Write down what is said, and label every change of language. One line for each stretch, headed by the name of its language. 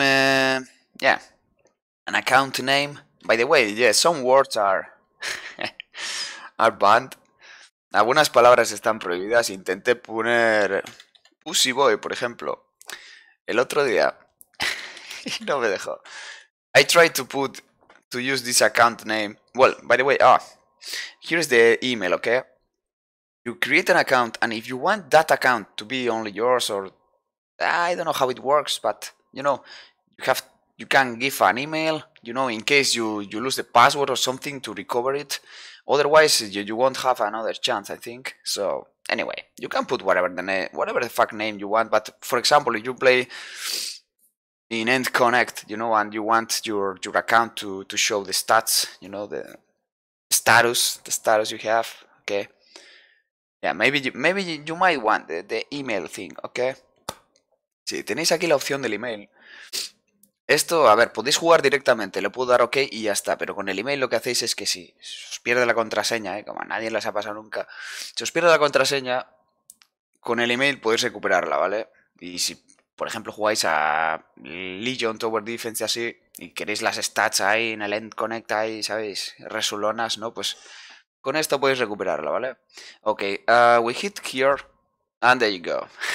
English: An account name. By the way, yeah, some words are. are banned.
Spanish: Algunas palabras están prohibidas. Intenté poner Pussy Boy, por ejemplo, el otro día. Y no me dejó.
English: I tried to put to use this account name. Well, by the way, here's the email, okay? You create an account, and if you want that account to be only yours, or I don't know how it works, but you know, you can give an email, you know, in case you lose the password or something to recover it. Otherwise, you won't have another chance, I think. So anyway, you can put whatever the name, whatever the fuck name you want. But for example, if you play in End Connect, you know, and you want your account to show the stats, you know, the status you have, okay? Yeah, maybe you might want the email thing, okay?
Spanish: Sí, tenéis aquí la opción del email. Esto, a ver, podéis jugar directamente, le puedo dar OK y ya está, pero con el email lo que hacéis es que si os pierde la contraseña, como a nadie les ha pasado nunca, si os pierde la contraseña, con el email podéis recuperarla, ¿vale? Y si, por ejemplo, jugáis a Legion Tower Defense y así, y queréis las stats ahí en el End Connect, ahí, ¿sabéis? Resulonas, ¿no? Pues con esto podéis recuperarla, ¿vale?
English: Ok, we hit here, and there you go.